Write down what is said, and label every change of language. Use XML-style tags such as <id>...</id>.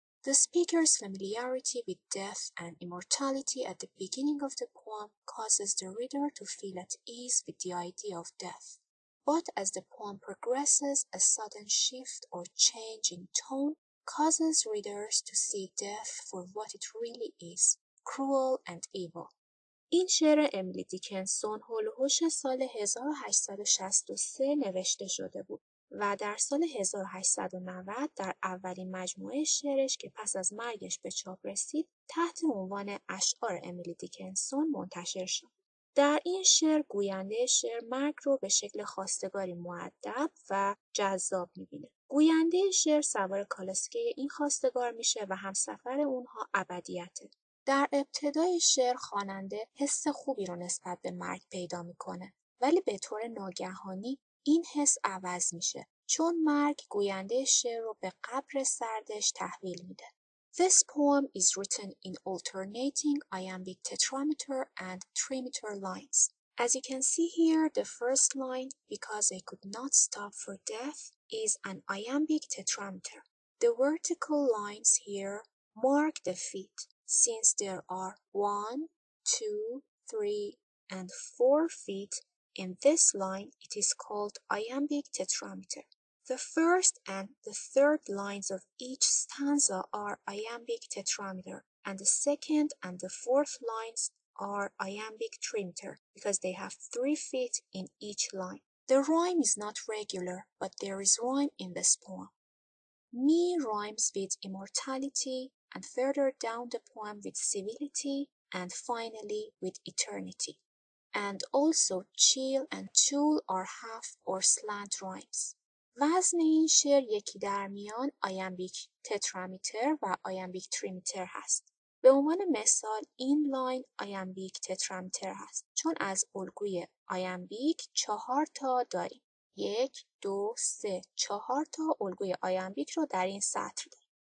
<en>The speaker's familiarity with death and immortality at the beginning of the poem causes the reader to feel at ease with the idea of death. But as the poem progresses, a sudden shift or change in tone causes readers to see death for what it really is, cruel and evil.</en> <fa>این شعر املی دیکنسون هول و هوش سال 1863 نوشته شده بود و در سال 1890 در اولین مجموعه شعرش که پس از مرگش به چاپ رسید تحت عنوان اشعار املی دیکنسون منتشر شد. در این شعر گوینده شعر مرگ رو به شکل خواستگاری مؤدب و جذاب می‌بینه. گوینده شعر سوار کالسکه این خواستگار میشه و همسفر اونها ابدیته. در ابتدای شعر خواننده حس خوبی رو نسبت به مرگ پیدا می‌کنه، ولی به طور ناگهانی این حس عوض میشه چون مرگ گوینده شعر رو به قبر سردش تحویل میده.</fa> <en>This poem is written in alternating iambic tetrameter and trimeter lines. As you can see here, the first line, because I could not stop for death, is an iambic tetrameter. The vertical lines here mark the feet, since there are 1, 2, 3, and 4 feet. In this line, it is called iambic tetrameter. The first and the third lines of each stanza are iambic tetrameter, and the second and the fourth lines are iambic trimeter, because they have 3 feet in each line. The rhyme is not regular, but there is rhyme in this poem. Me rhymes with immortality, and further down the poem with civility, and finally with eternity. And also chill and tool are half or slant rhymes.</en> <fa>وزن این شعر یکی در میان آیمبیک تترامیتر و آیمبیک تریمیتر هست. به عنوان مثال این لاین آیمبیک تترامیتر هست چون از الگوی آیمبیک 4 تا داریم. 1, 2, 3, 4 تا الگوی آیمبیک رو در این سطر داریم.</fa>